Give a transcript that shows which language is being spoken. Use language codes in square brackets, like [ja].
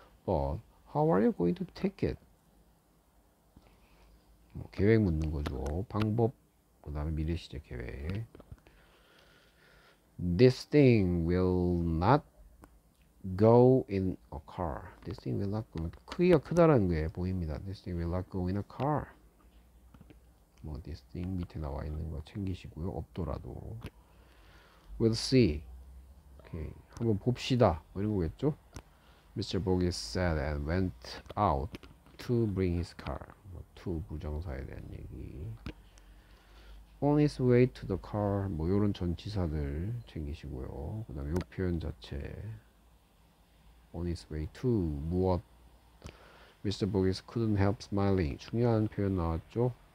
[en] But how are you going to take it? [ko] 뭐 계획 묻는 거죠. 방법, 그다음에 미래 시제 계획. [en] This thing will not go in a car. This thing will not go. [ko] 크기가 크다는 게 보입니다. [en] This thing will not go in a car. [ko] 뭐 this thing 밑에 나와 있는 거 챙기시고요. 없더라도 [en] we'll see. [ko] 오케이, 한번 봅시다. 뭐 이런 거겠죠? Mr. [en] Bogie said and went out to bring his car. [ko] 뭐, to 부정사에 대한 얘기. [en] On his way to the car. [ko] 뭐 이런 전치사들 챙기시고요. 그다음에 요 표현 자체. [en] On his way to [ko] 무엇? Mr. [en] Bogie couldn't help smiling. [ko] 중요한 표현 나왔죠?